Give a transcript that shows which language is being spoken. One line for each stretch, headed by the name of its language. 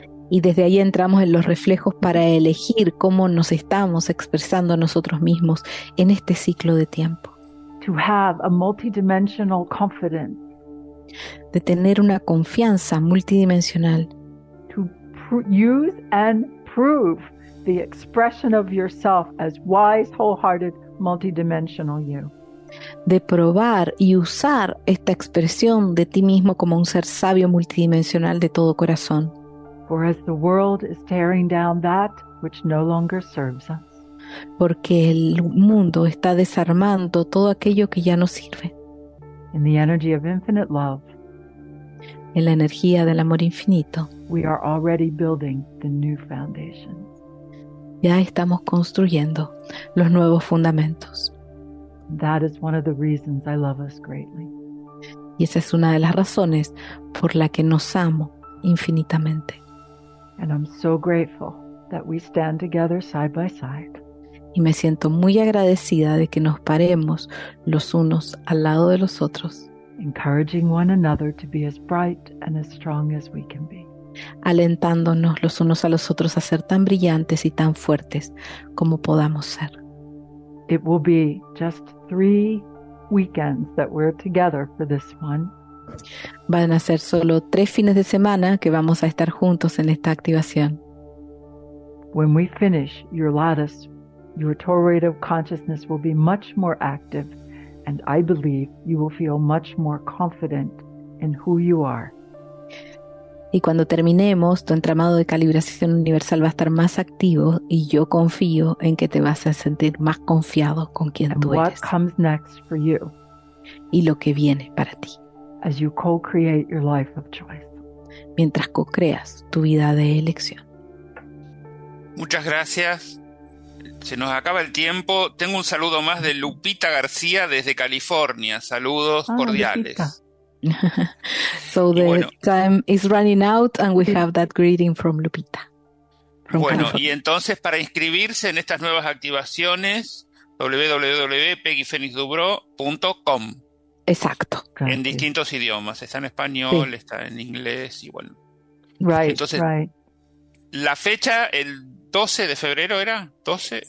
Spanish: Y desde ahí entramos en los reflejos para elegir cómo nos estamos expresando nosotros mismos en este ciclo de tiempo.
English: To have a multidimensional confidence.
Spanish: De tener una confianza multidimensional.
English: To use and prove the expression of yourself as wise, wholehearted, multidimensional you.
Spanish: De probar y usar esta expresión de ti mismo como un ser sabio multidimensional de todo corazón.
English: For as the world is tearing down that which no longer serves us.
Spanish: Porque el mundo está desarmando todo aquello que ya no sirve.
English: In the energy of infinite love.
Spanish: En la energía del amor infinito.
English: We are already building the new foundations.
Spanish: Ya estamos construyendo los nuevos fundamentos.
English: That is one of the reasons I love us greatly.
Spanish: Y esa es una de las razones por la que nos amo infinitamente.
English: And I'm so grateful that we stand together side by side.
Spanish: Y me siento muy agradecida de que nos paremos los unos al lado de los otros.
English: Encouraging one another to be as bright and as strong as we can be.
Spanish: Alentándonos los unos a los otros a ser tan brillantes y tan fuertes como podamos ser.
English: It will be just 3 weekends that we're together for this one.
Spanish: Van a ser solo 3 fines de semana que vamos a estar juntos en esta activación.
English: When we finish your lattice, your toroid of consciousness will be much more active, and I believe you will feel much more confident in who you are.
Spanish: Y cuando terminemos, tu entramado de calibración universal va a estar más activo y yo confío en que te vas a sentir más confiado con quien tú eres.
English: What comes next for you?
Spanish: Y lo que viene para ti.
English: As you co-create your life of choice.
Spanish: Mientras co-creas tu vida de elección. Muchas gracias. Se nos acaba el tiempo. Tengo un saludo más de Lupita García desde California. Saludos cordiales. Lupita.
English: So the time is running out and we have that greeting from Lupita.
Spanish: Bueno, y entonces para inscribirse en estas nuevas activaciones, www.peggyphoenixdubro.com. Exacto. En distintos idiomas, está en español, sí. Está en inglés y bueno.
English: Right,
Spanish: entonces,
English: right.
Spanish: La fecha, el 12 de febrero era, 12.